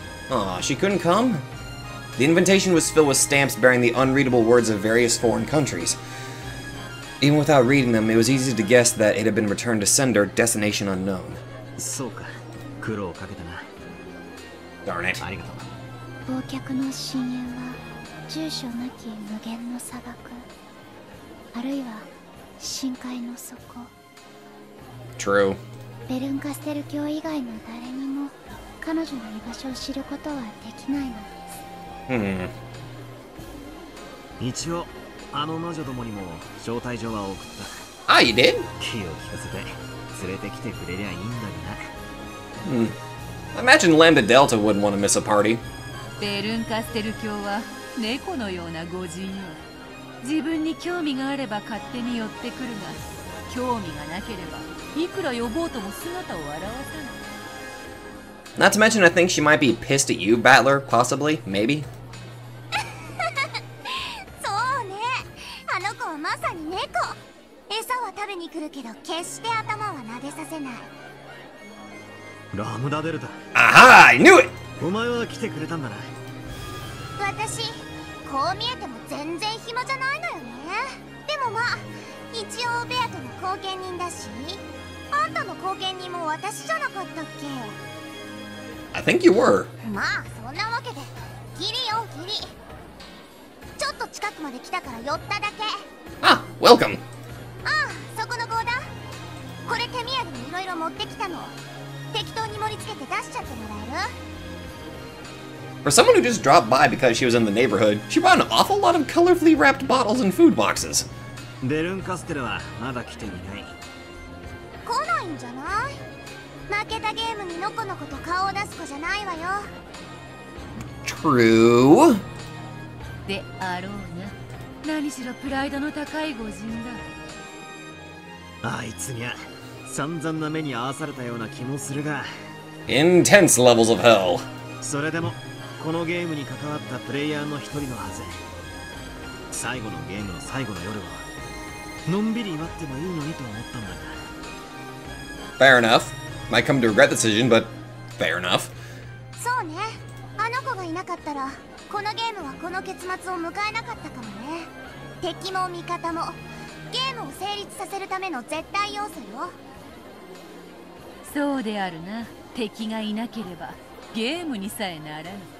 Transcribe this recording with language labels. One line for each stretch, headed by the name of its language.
English: Aw, she couldn't come? The invitation was filled with stamps bearing the unreadable words of various foreign countries. Even without reading them, it was easy to guess that it had been returned to sender, destination unknown.
Japanese: So, か苦労をかけたな。
English: Darn it.
Japanese: ありがとう。忘却の深淵は住所なき無限の砂漠、あるいは深海の底。
English: True.
Japanese: ベルンカステル卿以外の誰にも彼女の居場所を知ることはできないのです。一応あの魔女どもにも招待状は送った。あ、いで？気を利かせて連れてきてくれりゃいいんだがな。
English: Imagine Lambda Delta wouldn't want to miss a party.
Japanese: ベルンカステル卿は。猫のような御人よ。自分に興味があれば勝手に寄ってくるが、興味がなければいくら呼ぼうとも姿を現さない。
English: Not to mention, I think she might be pissed at you, Battler. Possibly, maybe.
Japanese: そうね。あの子はまさに猫。餌は食べに来るけど、決して頭は撫でさせない。ラムダデルタ。
English: Aha! I knew it!
Japanese: お前は来てくれたんだな。私、こう見えても全然暇じゃないのよね。でもまあ、一応ベアトの後見人だし、あんたの後見人も私じゃなかったっけ。
English: I think you were.
Japanese: まあ、そんなわけで、ギリよギリ。ちょっと近くまで来たから寄っただけ。
English: あ、welcome。
Japanese: ああ、そこの強だ。これ手土産にいろいろ持ってきたの。適当に盛り付けて出しちゃってもらえる？
English: For someone who just dropped by because she was in the neighborhood, she bought an awful lot of colorfully wrapped bottles and food boxes.
Japanese: ベルンカステルはまだ来ていない。来ないんじゃない？負けたゲームにのこのこと顔を出す子じゃないわよ。
English: True.
Japanese: であろうな。何しろプライドの高い御人だ。あいつには散々な目に遭わされたような気もするが。
English: Intense levels of hell.
Japanese: それでも。このゲームに関わったプレイヤーの一人のはず。最後のゲームの最後の夜はのんびり祝ってもいいのにと思ったんだが。
English: Fair enough. Might come to regret the decision, but fair enough.
Japanese: そうね。あの子がいなかったら、このゲームはこの結末を迎えなかったかもね。敵も味方もゲームを成立させるための絶対要素よ。そうであるな。敵がいなければ。ゲームにさえならぬ。